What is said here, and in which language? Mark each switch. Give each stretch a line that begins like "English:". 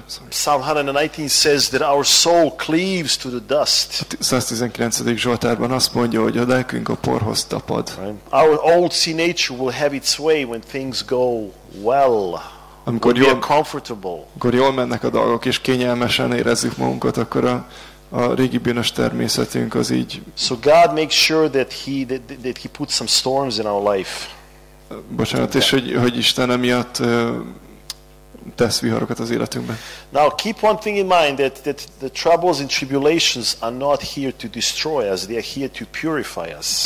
English: Psalm 119 says that our soul cleaves to the dust. 119.
Hungarian: Zsoltárban azt mondja, hogy a lelkünk a porhoz tapad.
English: Right. Our old sea nature will have its way when things go well.
Hungarian: Amikor jól mennek a dolgok és kényelmesen érezzük magunkat, akkor a régi bűnös természetünk az így.
English: So God makes sure that he puts some storms in our life.
Hungarian: Bocsánat, és hogy Isten emiatt tesz viharokat az életünkben.
English: Now keep one thing in mind that the troubles and tribulations are not here to destroy us, they are here to purify us.